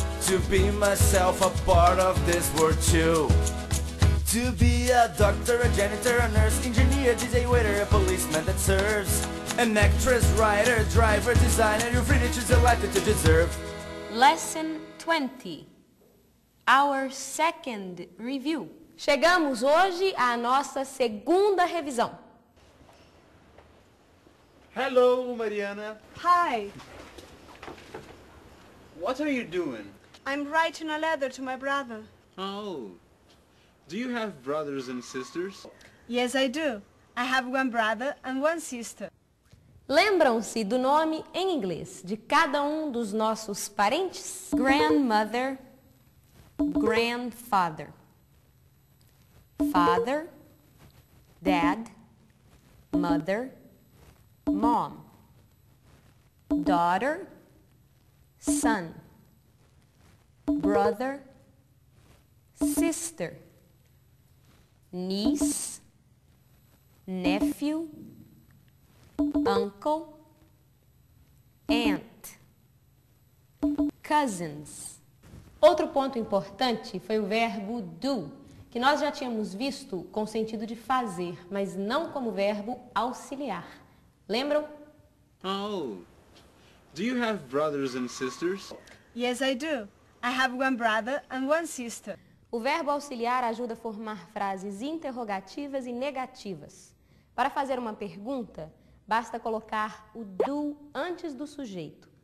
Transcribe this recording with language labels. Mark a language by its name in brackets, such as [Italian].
[English] To be myself a part of this world too. To be a doctor, a janitor, a nurse, engineer, DJ, waiter, a policeman that serves. An actress, writer, driver, designer, you're free to choose the life that you deserve. Lesson 20. Our second review. [Portuguese] Chegamos hoje à nossa segunda revisão. [English] Hello, Mariana. Hi. What are you doing? I'm writing a letter to my brother. Oh. Do you have brothers and sisters? Yes, I do. I have one brother and one sister. [Portuguese] Lembram-se do nome em inglês de cada um dos nossos parentes? [English] Grandmother. Grandfather. Father. Dad. Mother. Mom. Daughter. Son. Brother. Sister. Niece. Nephew. Uncle. Aunt. Cousins. [Portuguese] Outro ponto importante foi o verbo do, que nós já tínhamos visto com sentido de fazer, mas não como verbo auxiliar. Lembram? [English] Oh, do you have brothers and sisters? Yes, I do. I have one brother and one sister. [Portuguese] O verbo auxiliar ajuda a formar frases interrogativas e negativas. Para fazer uma pergunta, basta colocar o do antes do sujeito.